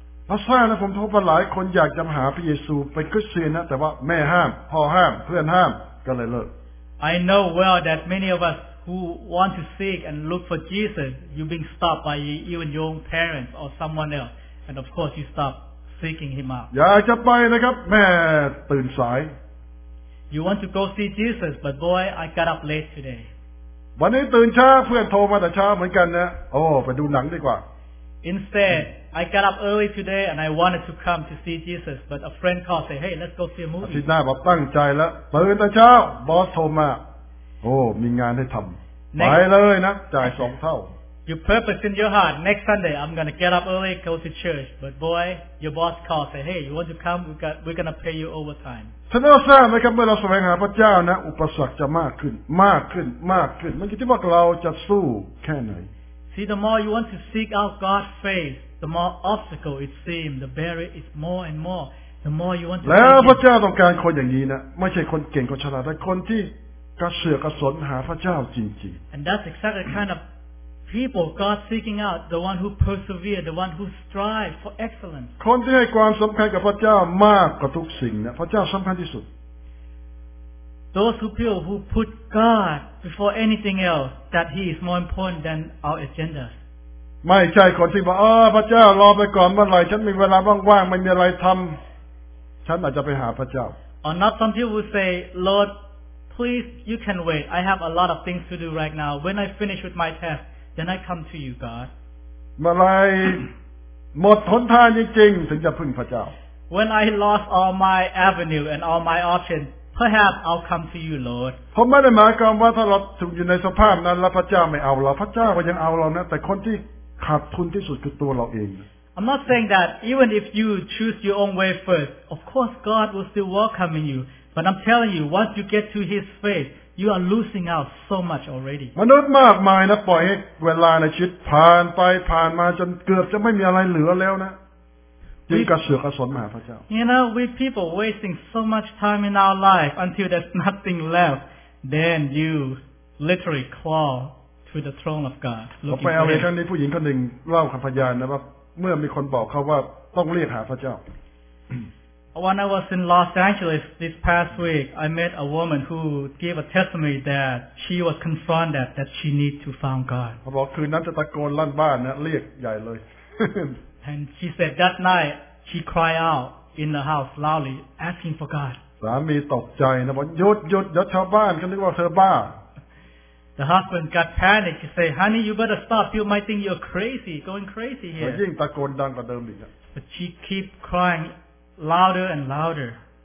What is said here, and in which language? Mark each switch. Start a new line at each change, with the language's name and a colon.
English: I know well that many of us who want to seek and look for Jesus, you being stopped by even your own parents or someone else. And of course you stop. Seeking him out.
Thai: อยากจะไปนะครับแม่ตื่นสาย
English: You want to go see Jesus, but boy, I got up late today.
Thai: วันนี้ตื่นช้าเพื่อนโทรมาแต่เช้าเหมือนกันนะโอ้ไปดูหนังดีกว่า
English: Instead, I got up early today and I wanted to come to see Jesus, but a friend called say, hey, let's go see a movie.
Thai: อาทิตย์หน้าผมตั้งใจแล้วตื่นแต่เช้าบอสโทรมาโอ้มีงานให้ทำไปเลยนะจ่ายสองเท่า
English: You purpose in your heart, next Sunday I'm going to get up early, go to church. But boy, your boss calls, say, hey, you want to come? We're going to pay you overtime.
Thai: ท่านเอาทราบไหมครับเมื่อเราแสวงหาพระเจ้านะอุปสรรคจะมากขึ้นมากขึ้นมากขึ้นมันคิดว่าเราจะสู้แค่ไหน
English: See, the more you want to seek out God's face, the more obstacle it seems, the barrier is more and more. The more you want to.
Thai: แล้วพระเจ้าต้องการคนอย่างนี้นะไม่ใช่คนเก่งคนฉลาดแต่คนที่กระเสือกกระสนหาพระเจ้าจริง
English: ๆ And that's exactly the kind of people God seeking out, the one who persevere, the one who strive for excellence.
Thai: คนที่ให้ความสำคัญกับพระเจ้ามากกว่าทุกสิ่งนะพระเจ้าสำคัญที่สุด
English: Those who people who put God before anything else, that He is more important than our agenda.
Thai: ไม่ใช่คนที่บอกอ๋อพระเจ้ารอไปก่อนเมื่อไรฉันมีเวลาว่างๆไม่มีอะไรทำฉันอาจจะไปหาพระเจ้า
English: Or not some people who say, Lord, please, you can wait. I have a lot of things to do right now. When I finish with my task, then I come to you, God.
Thai: เมื่อไรหมดหนทางจริงๆถึงจะพึ่งพระเจ้า
English: When I lost all my avenue and all my options. Perhaps I'll come to you, Lord.
Thai: ผมไม่ได้หมายความว่าถ้าเราถูกอยู่ในสภาพนั้นแล้วพระเจ้าไม่เอาเราพระเจ้าก็ยังเอาเรานะแต่คนที่ขาดทุนที่สุดคือตัวเราเอง
English: I'm not saying that even if you choose your own way first, of course God will still welcome you. But I'm telling you, once you get to His face, you are losing out so much already.
Thai: มนุษย์มากมายนะปล่อยให้เวลาในชีวิตผ่านไปผ่านมาจนเกือบจะไม่มีอะไรเหลือแล้วนะ
English: You know, we people wasting so much time in our life until there's nothing left, then you literally crawl to the throne of God.
Thai: ไปเอาเรื่องนี้ผู้หญิงคนหนึ่งเล่าคำพยานนะว่าเมื่อมีคนบอกเขาว่าต้องเรียกหาพระเจ้า
English: When I was in Los Angeles this past week, I met a woman who gave a testimony that she was confronted that she needed to find God.
Thai: บอกคืนนั้นจะตะโกนลั่นบ้านนะเรียกใหญ่เลย
English: And she said that night, she cried out in the house loudly, asking for God. The husband got panicked. He said, Honey, you better stop. People might think you're crazy, going crazy here. But she kept crying louder and louder.